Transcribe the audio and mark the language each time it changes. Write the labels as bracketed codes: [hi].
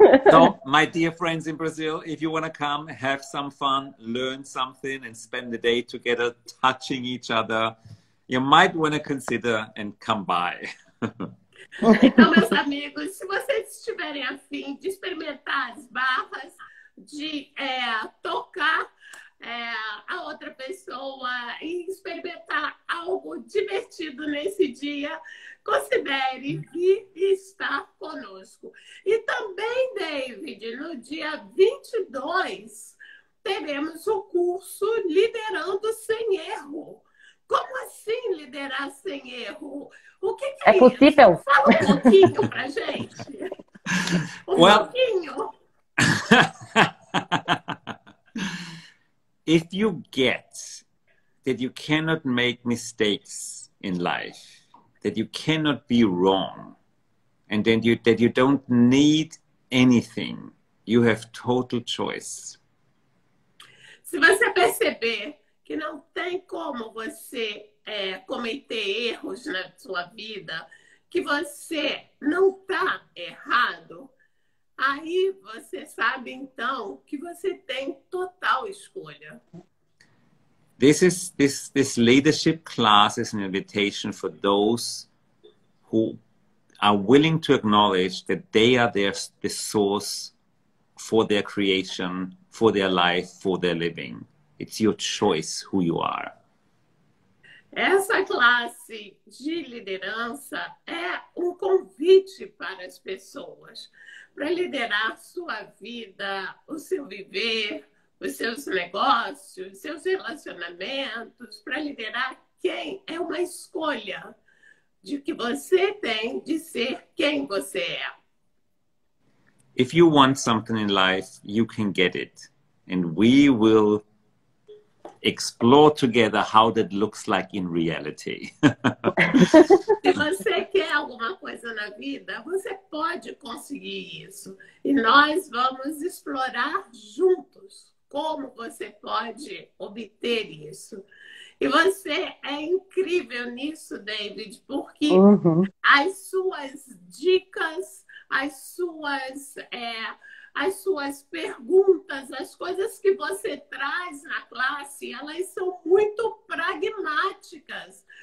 [en] So, my dear friends in Brazil, if you want to come, have some fun, learn something, and spend the day together, touching each other, you might want to consider and come by. [pt] Então, meus amigos, se vocês estiverem a fim de experimentar as barras, de tocar a outra pessoa e experimentar algo divertido nesse dia, considere vir estar conosco. E também, David, no dia 22, teremos o curso Liderando Sem Erro. Como assim liderar sem erro? O que É é isso? possível? Fala um pouquinho pra gente. Um [en] Well, [pt] pouquinho. [en] if you get that you cannot make mistakes in life, that you cannot be wrong, and then that you don't need anything, you have total choice. [pt] Se você perceber que não tem como você cometer erros na sua vida, que você não está errado, aí você sabe então que você tem total escolha. [en] This leadership class is an invitation for those who are willing to acknowledge that they are the source for their creation, for their life, for their living. It's your choice who you are. [pt] Essa classe de liderança é um convite para as pessoas para liderar sua vida, o seu viver, os seus negócios, seus relacionamentos, para liderar quem é uma escolha de que você tem de ser quem você é. [en] If you want something in life, you can get it. And we will explore together how that looks like in reality. [pt] Se você quer alguma coisa na vida, você pode conseguir isso. E nós vamos explorar juntos como você pode obter isso. E você é incrível nisso, David, porque as suas dicas, as suas perguntas, as coisas que você traz na classe, elas são muito pragmáticas.